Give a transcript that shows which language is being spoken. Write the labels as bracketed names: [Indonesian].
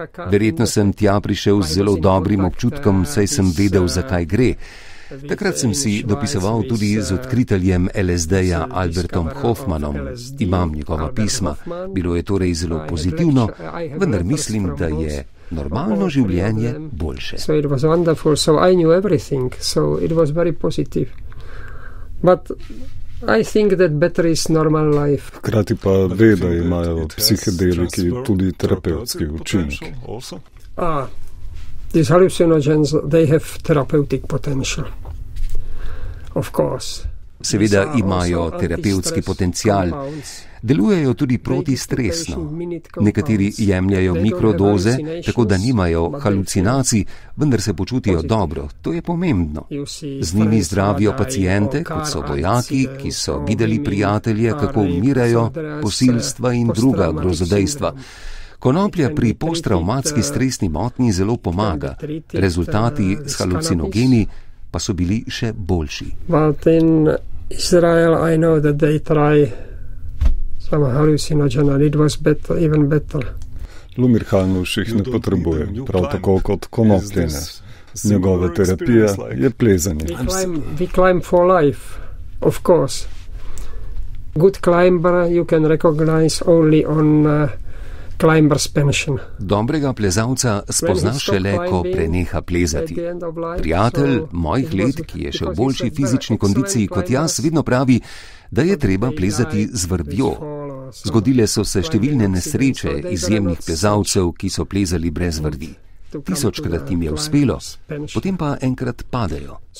[Slovenian] Verjetno sem tja prišel z zelo dobrim občutkom, saj sem vedel, zakaj gre. Takrat sem si dopisoval tudi z odkriteljem LSD-ja Albertom Hoffmanom. Imam njegova pisma. Bilo je torej zelo pozitivno, vendar mislim, da je normalno življenje boljše. [English] So it was wonderful. So I knew everything. So it was very positive. But I think that better is normal life. [Slovenian] Hkrati pa ve, da imajo psihedeliki tudi terapevtski učinek. [English] These hallucinogens, they have therapeutic potential. Of course. [Slovenian] Seveda imajo terapevtski potencial. Delujejo tudi protistresno. Nekateri jemljajo mikrodoze, tako da nimajo halucinacij, vendar se počutijo dobro. To je pomembno. Z njimi zdravijo paciente, kot so vojaki, ki so videli prijatelje, kako umirajo, posilstva in druga grozodejstva. Konoplja pri posttravmatski stresni motnji zelo pomaga. Rezultati s halucinogeni pa so bili še boljši. [English] Israel, I know that they try some hallucinogen and it was better, even better. [Slovenian] Lumir Khan už jih ne potrebuje, prav tako kot konopljene. Njegova terapija je plezanje. [English] We climb for life, of course. Good climber you can recognize only on climber's pension. [Slovenian] Dobrega plezalca spoznaš šele, ko preneha plezati. Prijatelj mojih let, ki je še v boljši fizični kondiciji kot jaz, vedno pravi, da je treba plezati z vrvjo. Zgodile so se številne nesreče izjemnih plezalcev, ki so plezali brez vrvi. Tisočkrat jim je uspelo, potem pa enkrat padejo.